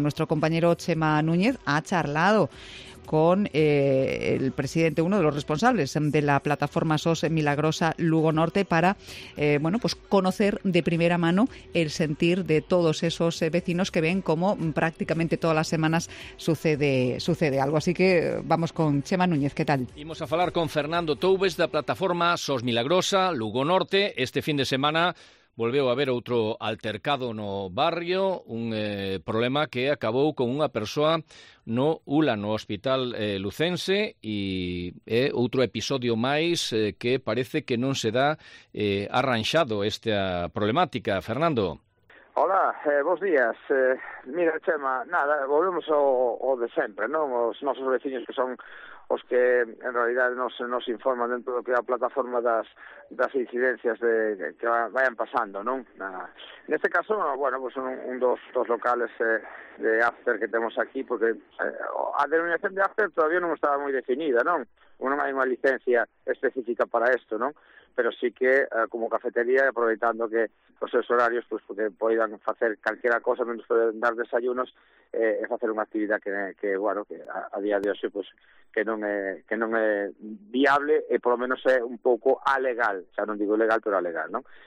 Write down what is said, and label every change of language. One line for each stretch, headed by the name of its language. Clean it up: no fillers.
Spanish: Nuestro compañero Chema Núñez ha charlado con el presidente, uno de los responsables de la plataforma SOS Milagrosa Lugo Norte, para conocer de primera mano el sentir de todos esos vecinos que ven cómo prácticamente todas las semanas sucede algo. Así que vamos con Chema Núñez, ¿qué tal? Vamos a hablar con Fernando Toubes de la plataforma SOS Milagrosa Lugo Norte.
Galician: Este fin de semana volveu a haber outro altercado no barrio, un problema que acabou con unha persoa no ULA, no Hospital Lucense, e outro episodio máis que parece que non se dá arranxado esta problemática. Fernando. Hola, bons días. Mira, Chema, nada, volvemos ao de sempre, non? Os nosos veciños que son os que en realidad nos informan dentro do que é a plataforma das incidencias de que vayan pasando, non? Neste caso, bueno, pues un dos locales de After que temos aquí, porque a denominación de After todavía non estaba moi definida, non? Non hai unha licencia específica para isto, non? Pero sí que como cafetería, aproveitando que os seus horarios pues que poidan facer calquera cosa menos dar desayunos e facer unha actividad que bueno, que a día de hoxe pues que non é viable e polo menos é un pouco alegal, xa non digo legal, pero alegal, non?